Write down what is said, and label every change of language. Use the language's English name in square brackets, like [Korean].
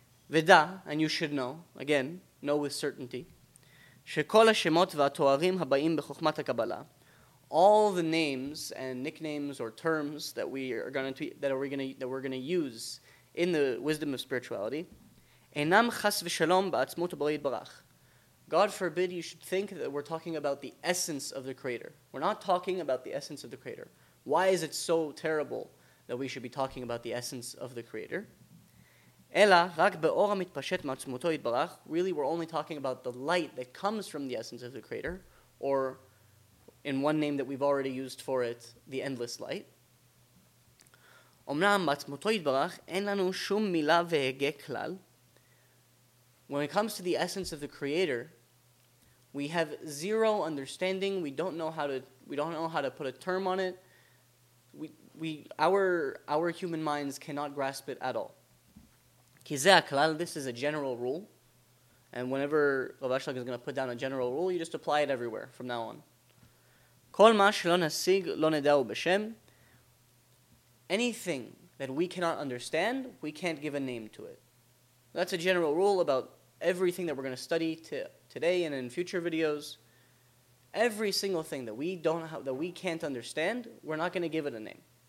[English] Veda, and you should know, again, know with certainty, [Hebrew] שכל השמות והתוארים הבאים בחוכמת הקבלה, [English] all the names and nicknames or terms that we're going to use in the wisdom of spirituality, [Hebrew] אינם חס ושלום בעצמות הבורא יתברך. [English] God forbid you should think that we're talking about the essence of the Creator. We're not talking about the essence of the Creator. Why is it so terrible that we should be talking about the essence of the Creator? [Hebrew] אלא רק באור המתפשט מעצמותו יתברך. [English] Really, we're only talking about the light that comes from the essence of the Creator, or in one name that we've already used for it, the endless light. [Hebrew] אמנם מעצמותו יתברך אין לנו שום מילה והגה כלל. [English] When it comes to the essence of the Creator, we have zero understanding. We don't know how to put a term on it. Our human minds cannot grasp it at all. [Hebrew] כי זה הכלל, [English] this is a general rule. And whenever Rav Ashlag is going to put down a general rule, you just apply it everywhere from now on. [Hebrew] כל מה שלא נשיג לא נדעו בשם. [English] Anything that we cannot understand, we can't give a name to it. That's a general rule about everything that we're going to study today and in future videos. Every single thing that we can't understand, we're not going to give it a name.